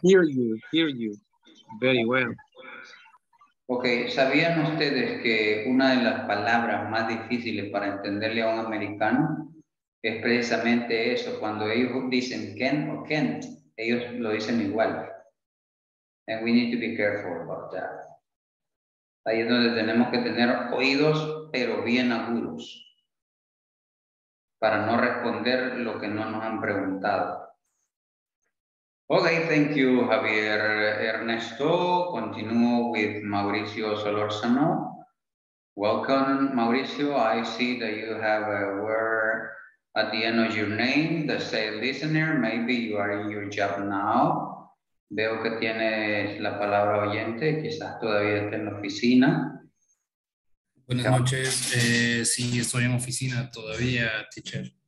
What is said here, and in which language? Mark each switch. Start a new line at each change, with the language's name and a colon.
English: Hear you very well.
Spanish: Ok, ¿sabían ustedes que una de las palabras más difíciles para entenderle a un americano es precisamente eso? Cuando ellos dicen can o can't, ellos lo dicen igual.
English: And we need to be careful about that.
Spanish: Ahí es donde tenemos que tener oídos, pero bien agudos, para no responder lo que no nos han preguntado.
English: Okay, thank you, Javier Ernesto. Continuo with Mauricio Solorzano. Welcome, Mauricio. I see that you have a word at the end of your name, the say listener, maybe you are in your job now.
Spanish: Veo que tienes la palabra oyente, quizás todavía está en la oficina. Buenas noches, sí, estoy en oficina todavía, teacher.